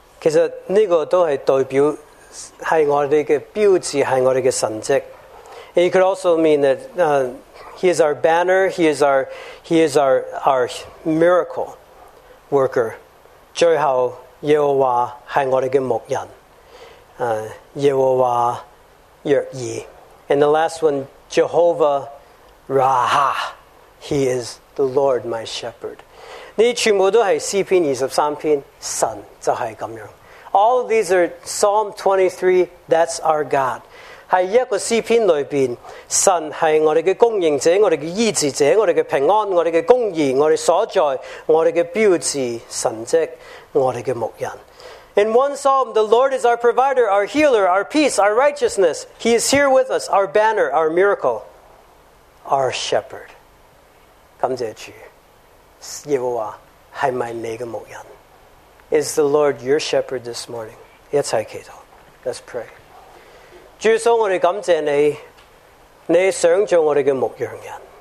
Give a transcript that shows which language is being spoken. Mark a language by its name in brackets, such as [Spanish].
[Chinese] 其实这个都是代表是我们的标志，是我们的神迹。 [English] It could also mean that he is our banner, he is our miracle worker. [Chinese] 最后耶和华是我们的牧人，耶和华约义。 [English] And the last one, Jehovah Raha, He is the Lord my shepherd. [Chinese] 这全部都是诗篇二十三篇，神就是这样。 [English] All of these are Psalm 23, that's our God. [Chinese] 在一个诗篇里面，神是我们的供应者，我们的医治者，我们的平安，我们的公义，我们所在，我们的标志，神迹。 [English] In one psalm, the Lord is our provider, our healer, our peace, our righteousness. He is here with us, our banner, our miracle, our shepherd. [Chinese] 感谢主，耶和华是我们的牧人。 [English] Is the Lord your shepherd this morning? [Chinese] 一起祈祷。 [English] Let's pray. [Chinese] 主说我们感谢你，你想做我们的牧羊人。